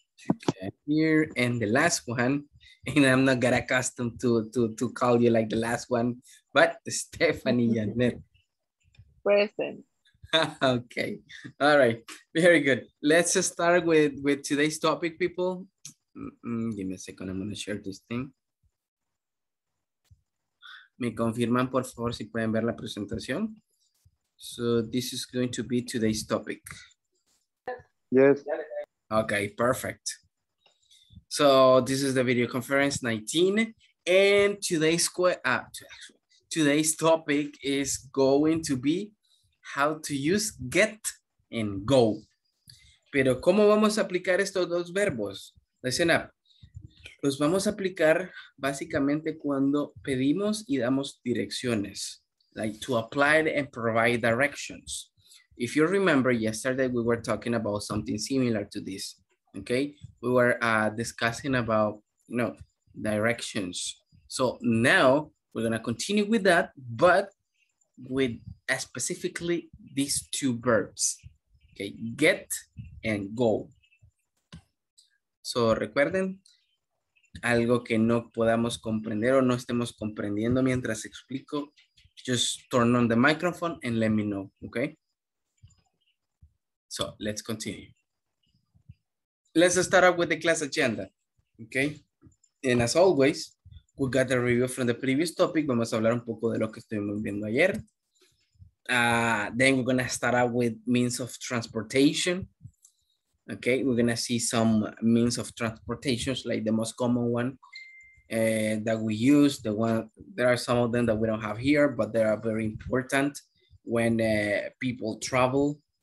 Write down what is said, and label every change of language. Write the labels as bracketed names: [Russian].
[English] Okay, here, and the last one, and I'm not get accustomed to call you like the last one, but Stephanie Janet. Present. Okay, all right, very good. Let's start with today's topic, people. Give me a second, I'm gonna share this thing. [Spanish] Me confirman, por favor, si pueden ver la presentación. [English] So this is going to be today's topic. Yes. Okay, perfect. So this is the video conference 19, and today's topic is going to be how to use get and go. [Spanish] Pero ¿cómo vamos a aplicar estos dos verbos? [English] Listen up. [Spanish] Los vamos a aplicar básicamente cuando pedimos y damos direcciones, [English] like to apply and provide directions. If you remember yesterday, we were talking about something similar to this, okay? We were discussing about, you know, directions. So now we're gonna continue with that, but with specifically these two verbs, okay? Get and go. So [Spanish] recuerden, algo que no podamos comprender o no estemos comprendiendo mientras explico, [English] just turn on the microphone and let me know, okay? So let's continue. Let's start up with the class agenda, okay? And as always, we got the review from the previous topic. [Spanish] Vamos a hablar un poco de lo que estuvimos viendo ayer. [English] Then we're gonna start out with means of transportation. Okay, we're gonna see some means of transportation, like the most common one that we use. The one, there are some of them that we don't have here, but they are very important when people travel.